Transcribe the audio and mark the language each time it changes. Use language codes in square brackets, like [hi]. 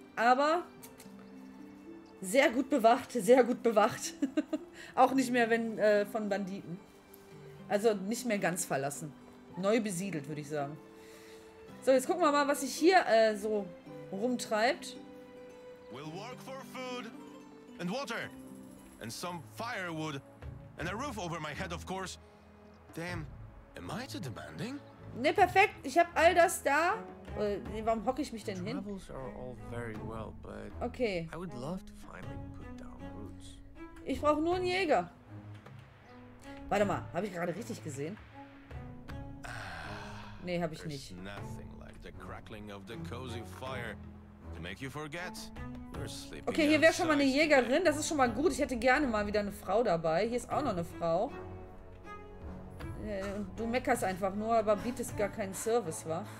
[de] Aber sehr gut bewacht, sehr gut bewacht. Auch nicht mehr wenn von Banditen. Also nicht mehr ganz verlassen. Neu besiedelt, würde ich sagen. So, jetzt gucken wir mal, was sich hier so rumtreibt. [en] We'll work for food and water and some firewood and a roof over my head, of course. Damn, am I too demanding? [de] Ne, perfekt. Ich habe all das da. Warum hocke ich mich denn hin? [en] Travels are all very well, but okay. I would love to finally put down roots. [de] Ich brauche nur einen Jäger. Warte mal, habe ich gerade richtig gesehen? Nee, habe ich nicht. [en] There's nothing like the crackling of the cozy fire to make you forget. [de] Okay, hier wäre schon mal eine Jägerin. Das ist schon mal gut. Ich hätte gerne mal wieder eine Frau dabei. Hier ist auch noch eine Frau. Und du meckerst einfach nur, aber bietest gar keinen Service, wa?